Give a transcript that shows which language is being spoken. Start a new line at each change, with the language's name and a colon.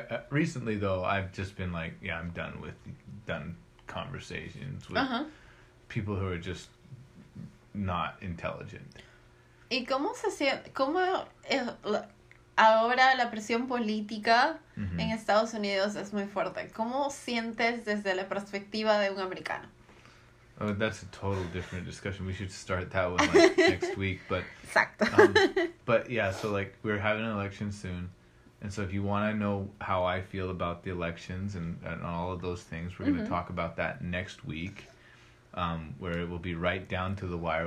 English: Recently though, I've just been like, yeah, I'm done conversations with uh-huh. people who are just not intelligent.
Spanish: ¿Y cómo se siente, cómo es, ahora la presión política mm-hmm. en Estados Unidos es muy fuerte? ¿Cómo sientes desde la perspectiva de un americano?
English: Oh, that's a total different discussion. We should start that one, like, next week, but...
Spanish: Exacto.
English: But yeah, so like, we're having an election soon. And so if you want to know how I feel about the elections and all of those things, we're mm-hmm. going to talk about that next week, where it will be right down to the wire.